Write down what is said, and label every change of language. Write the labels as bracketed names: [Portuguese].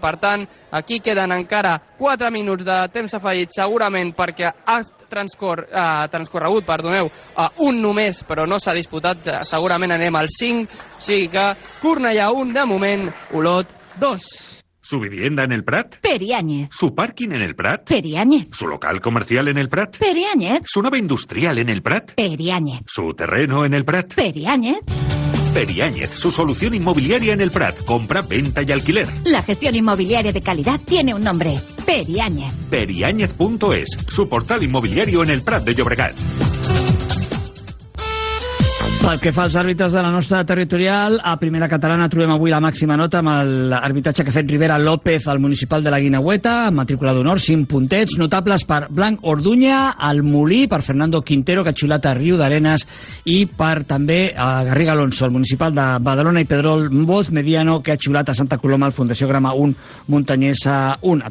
[Catalan] Per tant, aquí queden encara 4 minuts de temps afegit, segurament perquè ha transcorregut, perdoneu, un només, però no s'ha disputat, segurament anem al 5, o sigui que Cornellà 1, de moment, Olot 2. [Spanish] ¿Su vivienda en el Prat? Periáñez. ¿Su parking en el Prat? Periáñez. ¿Su local comercial en el Prat? Periáñez. ¿Su nave industrial en el Prat? Periáñez. ¿Su terreno en el Prat? Periáñez. Periáñez, su solución inmobiliaria en el Prat. Compra, venta y alquiler. La gestión inmobiliaria de calidad tiene un nombre. Periáñez. Periáñez.es, su portal inmobiliario en el Prat de Llobregat. [Catalan] Pel que fa als àrbitres de la nostra territorial, a Primera Catalana trobem avui la màxima nota amb l'arbitratge que ha fet Rivera López al municipal de la Guinahueta, matrícula d'honor, 5 puntets, notables per Blanc Orduña, al Molí, per Fernando Quintero, que ha xiulat a Riu d'Arenas, i per també a Garriga Alonso, al municipal de Badalona, i Pedrol Boz Mediano, que ha xiulat a Santa Coloma, al Fundació Grama 1, Muntanyesa 1.